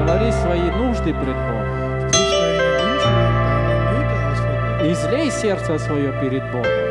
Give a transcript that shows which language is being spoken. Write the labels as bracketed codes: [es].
[ru] Говори свои нужды пред Бог. [de] Sprich deine Wünsche, deine Nöte, Господь. [ru] Излей сердце свое перед Богом.